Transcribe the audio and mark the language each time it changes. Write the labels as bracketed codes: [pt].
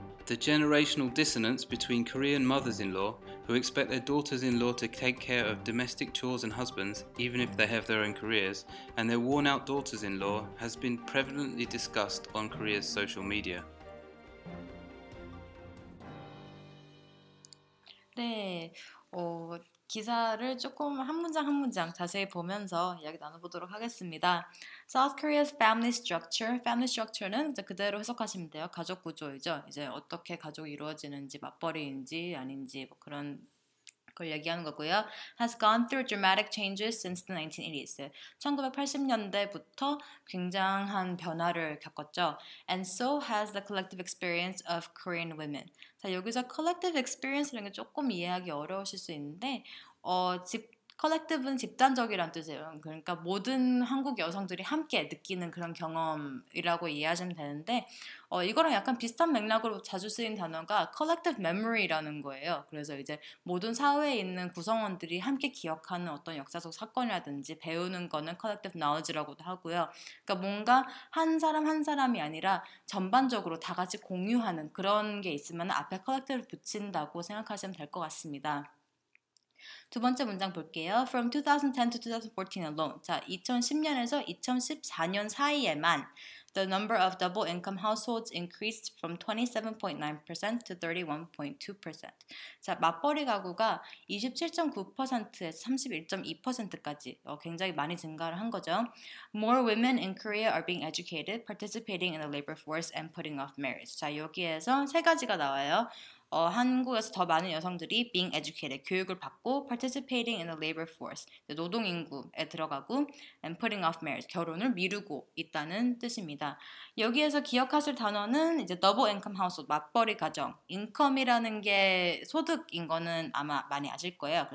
[en] The generational dissonance between Korean mothers-in-law, who expect their daughters-in-law to take care of domestic chores and husbands, even if they have their own careers, and their worn-out daughters-in-law, has been prevalently discussed on Korea's social media. [ko] 네, 기사를 조금 한 문장 자세히 보면서 이야기 나눠보도록 하겠습니다. [en] South Korea's family structure. [ko] Family structure는 이제 그대로 해석하시면 돼요. 가족 구조이죠. 이제 어떻게 가족이 이루어지는지, 맞벌이인지 아닌지 뭐 그런 걸 얘기하는 거고요. [en] Has gone through dramatic changes since the 1980s. [ko] 1980년대부터 굉장한 변화를 겪었죠. [en] And so has the collective experience of Korean women. [ko] 자, 여기서 collective experience라는 게 조금 이해하기 어려우실 수 있는데 collective는 집단적이란 뜻이에요. 그러니까 모든 한국 여성들이 함께 느끼는 그런 경험이라고 이해하시면 되는데 이거랑 약간 비슷한 맥락으로 자주 쓰인 단어가 collective memory라는 거예요. 그래서 이제 모든 사회에 있는 구성원들이 함께 기억하는 어떤 역사적 사건이라든지 배우는 거는 collective knowledge라고도 하고요. 그러니까 뭔가 한 사람 한 사람이 아니라 전반적으로 다 같이 공유하는 그런 게 있으면 앞에 collective를 붙인다고 생각하시면 될 것 같습니다. 두 번째 문장 볼게요. [en] From 2010 to 2014 alone. [ko] 자, 2010년에서 2014년 사이에만 [en] the number of double-income households increased from 27.9% to 31.2%. [ko] 자, 맞벌이 가구가 27.9%에서 31.2%까지 굉장히 많이 증가를 한 거죠. [en] More women in Korea are being educated, participating in the labor force, and putting off marriage. [ko] 자, 여기에서 세 가지가 나와요. 한국에서 더 많은 여성들이 [en] being educated, [ko] 교육을 받고 [en] participating in the labor force, [ko] 노동인구에 들어가고 [en] and putting off marriage, [ko] 결혼을 미루고 있다는 뜻입니다. 여기에서 기억하실 단어는 이제 double income household, 맞벌이 가정, income이라는 게 소득인 거는 아마 많이 아실 거예요.